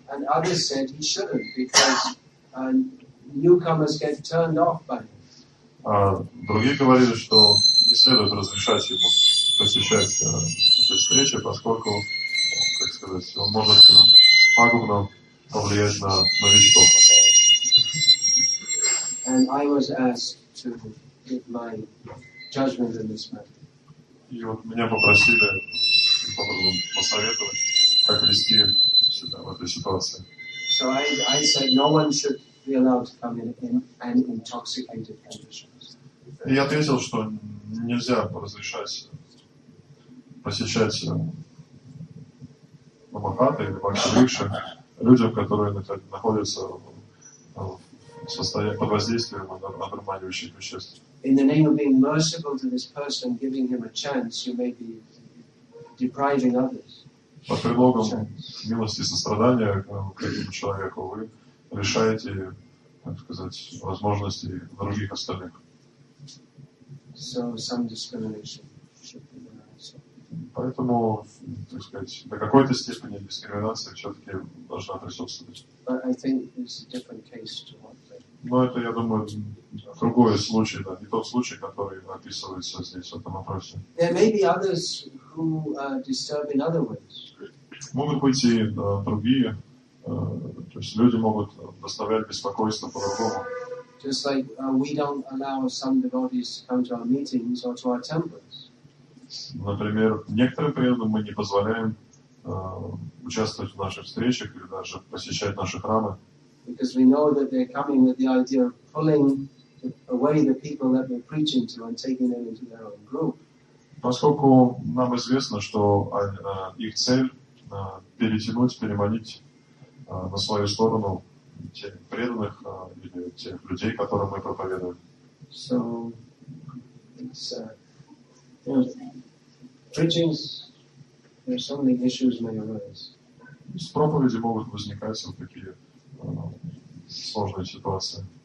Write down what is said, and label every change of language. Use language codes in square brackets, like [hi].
[ru] А другие говорили, что не следует разрешать ему посещать эти встречи, поскольку, как сказать, он может пагубно повлиять на новичков. [en] And I was asked to give my judgment in this matter. [ru] И вот меня попросили посоветовать, как вести себя в этой ситуации. [en] So I said no one should be allowed to come in an intoxicated condition. [ru] И я ответил, что нельзя разрешать посещать Намахаты или Бхакти-рикши людям, которые находятся в состоянии под воздействием одурманивающих веществ. [en] In the name of being merciful to this person, giving him a chance, you may be depriving others. [ru] Под предлогом милости и сострадания к этому человеку вы лишаете, так сказать, возможности других остальных. [en] So some discrimination should be there also. [ru] Поэтому, так сказать, до какой-то степени дискриминация все-таки должна присутствовать. Но это, я думаю, другой случай, да, не тот случай, который описывается здесь в этом вопросе. [en] There may be others who disturb in other ways. [ru] Могут быть и другие, то есть люди могут доставлять беспокойство по-другому. [en] Just like we don't allow some devotees to come to our meetings or to our temples. [ru] Например, некоторым преданным мы не позволяем участвовать в наших встречах или даже посещать наши храмы. [en] Because we know that they're coming with the idea of pulling away the people that they're preaching to and taking them into their own group. [ru] Поскольку нам известно, что их цель перетянуть, переманить на свою сторону тех преданных или тех людей, которым мы проповедуем. [en] So it's preachings, there are so many issues may arise. [ru] С проповеди могут возникать вот такие сложные ситуации.